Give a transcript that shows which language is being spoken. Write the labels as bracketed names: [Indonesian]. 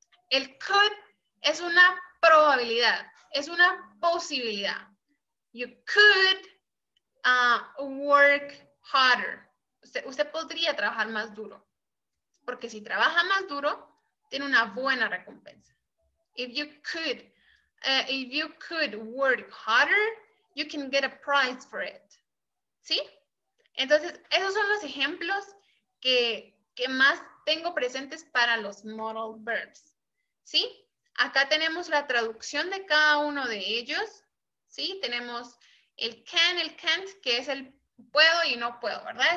[Spanish] El could es una probabilidad, es una posibilidad. [English] You could work harder. [Spanish] Usted podría trabajar más duro. Porque si trabaja más duro, tiene una buena recompensa. [English] If you could work harder, you can get a prize for it. [Spanish] ¿Sí? Entonces, esos son los ejemplos que más tengo presentes para los modal verbs. ¿Sí? Acá tenemos la traducción de cada uno de ellos. ¿Sí? Tenemos el can, el can't, que es el puedo y no puedo, ¿verdad?